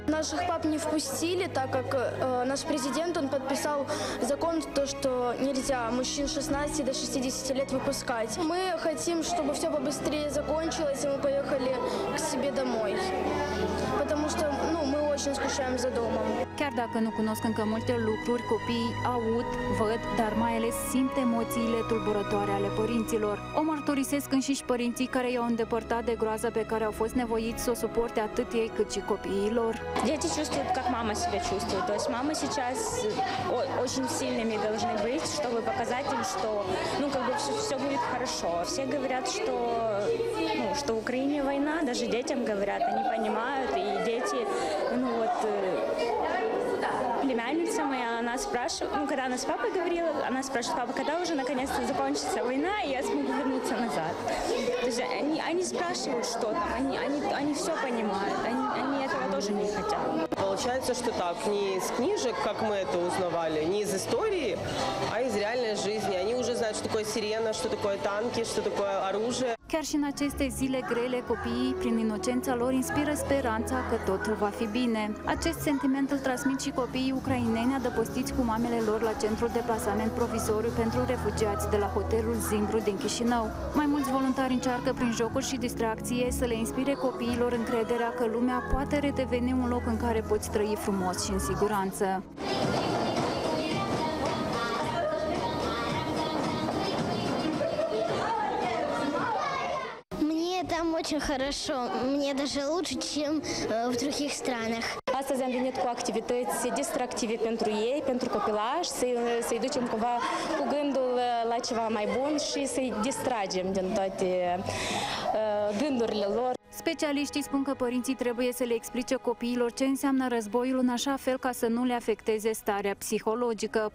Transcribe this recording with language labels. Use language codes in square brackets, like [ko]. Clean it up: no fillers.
[ru] Наших пап не впустили, так как наш президент, он подписал закон, то, что нельзя мужчин 16 до 60 лет выпускать. Мы хотим, чтобы все побыстрее закончилось, и мы поехали к себе домой. Потому что, ну, мы очень скучаем за домом. [ro] Chiar dacă nu cunosc încă multe lucruri, copiii aud, văd, dar mai ales simt emoțiile tulburătoare ale părinților. O mărturisesc înșiși părinții care i-au îndepărtat de groază pe care au fost nevoiți să o suporte atât ei cât și copiilor. [ru] Дети чувствуют, как мама себя чувствует. То есть мамы сейчас очень сильными должны быть, чтобы показать им, что, ну, как бы все будет хорошо. Все говорят, что, ну, что в Украине война, даже детям говорят, они понимают, и дети, ну, вот... Племянница моя, она спрашивает, ну, когда она с папой говорила, она спрашивает, папа, когда уже наконец-то закончится война, и я смогу вернуться назад. То есть они спрашивают что-то, они все понимают, они этого тоже не хотят. Получается, что так, не из книжек, как мы это узнавали, не из истории, а из реальной жизни. Они уже знают, что такое сирена, что такое танки, что такое оружие. [ro] Chiar și în aceste zile grele, copiii, prin inocența lor, inspiră speranța că totul va fi bine. Acest sentiment îl transmit și copiii ucraineni adăpostiți cu mamele lor la centrul de plasament provizoriu pentru refugiați de la hotelul Zimbru din Chișinău. Mai mulți voluntari încearcă prin jocuri și distracție să le inspire copiilor încrederea că lumea poate redeveni un loc în care poți trăi frumos și în siguranță. [ru] Очень хорошо. Мне даже лучше, чем в других странах. [ro] Astăzi am venit cu activități distractive pentru ei, pentru copilaș, să-i ducem cumva cu gândul la ceva mai bun și să-i distragem din toate gândurile lor. Specialiștii spun că părinții trebuie să le explice copiilor ce înseamnă războiul în așa fel ca să nu le afecteze starea psihologică.